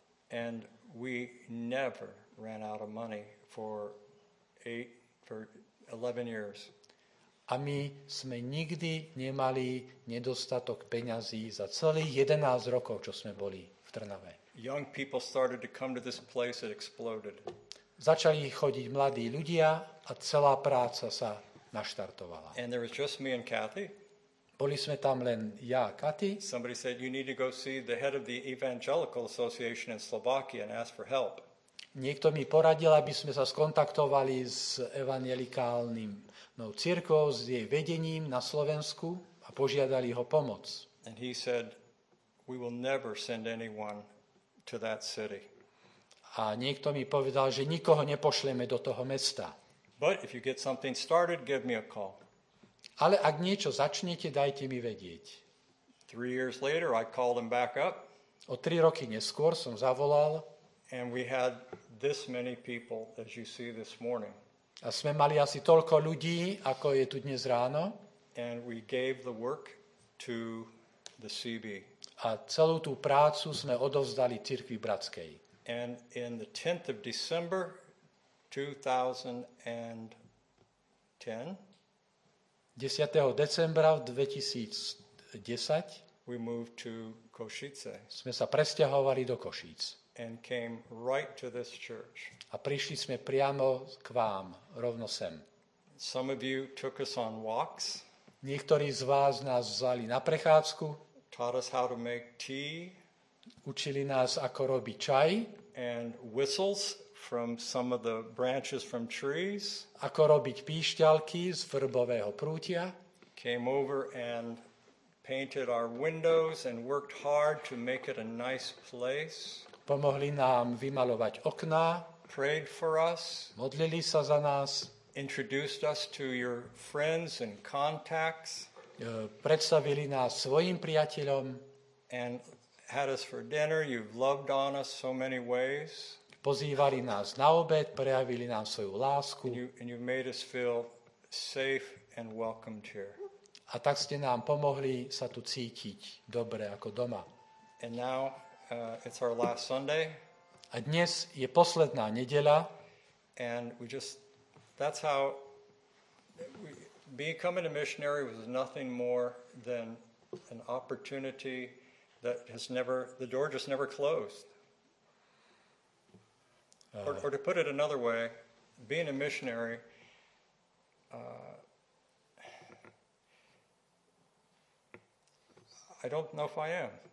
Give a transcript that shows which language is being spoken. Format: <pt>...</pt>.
<en>And we never ran out of money for 11 years.</en> <sk>A my sme nikdy nemali nedostatok peňazí za celých 11 rokov, čo sme boli v Trnave.</sk> <en>Young people started to come to this place, it exploded.</en> <sk>Začali chodiť mladí ľudia a celá práca sa naštartovala.</sk> <en>And there was just me and Kathy.</en> <sk>Boli sme tam len ja a Kathy.</sk> <en>Somebody said you need to go see the head of the Evangelical Association in Slovakia and ask for help.</en> <sk>Niekto mi poradil, aby sme sa skontaktovali s evangelikálnym cirkvou, s jej vedením na Slovensku a požiadali ho pomoc.</sk> <en>And he said we will never send anyone to that city.</en> <sk>A niekto mi povedal, že nikoho nepošleme do toho mesta.</sk> <en>But if you get something started, give me a call.</en> <sk>Ale ak niečo začnete, dajte mi vedieť.</sk> <en>3 years later, I called him back up.</en> <sk>O 3 roky neskôr som zavolal.</sk> <en>And we had this many people as you see this morning.</en> <sk>A sme mali asi toľko ľudí, ako je tu dnes ráno.</sk> <en>And we gave the work to the CB.</en> <sk>A celú tú prácu sme odovzdali cirkvi bratskej.</sk> <en>And in the 10th of December 2010.</en> <sk>10. decembra 2010</sk> <en>we moved to Košice.</en> <sk>Sme sa presťahovali do Košíc.</sk> <en>And came right to this church.</en> <sk>A prišli sme priamo k vám, rovno sem.</sk> <en>Some of you took us on walks.</en> <sk>Niektorí z vás nás vzali na prechádzku.</sk> <en>Taught us how to make tea.</en> <sk>Učili nás, ako robiť čaj.</sk> <en>And whistles from some of the branches from trees.</en> <sk>Ako robiť píšťalky z vrbového prútia.</sk> <en>Came over and painted our windows and worked hard to make it a nice place.</en> <sk>Pomohli nám vymalovať okná.</sk> <en>Prayed for us.</en> <sk>Modlili sa za nás.</sk> <en>Introduced us to your friends and contacts.</en> <sk>Predstavili nás svojim priateľom.</sk> <en>And had us for dinner. You've loved on us so many ways.</en> <sk>Pozývali nás na obed, prejavili nám svoju lásku.</sk> <en>And you made us feel safe and welcomed here.</en> <sk>A tak ste nám pomohli sa tu cítiť dobre ako doma.</sk> <en>And now it's our last Sunday.</en> <sk>A dnes je posledná nedeľa.</sk> <en>And we just that's how we becoming a missionary was nothing more than an opportunity that has never, the door just never closed. Or to put it another way, being a missionary, I don't know if I am.</en>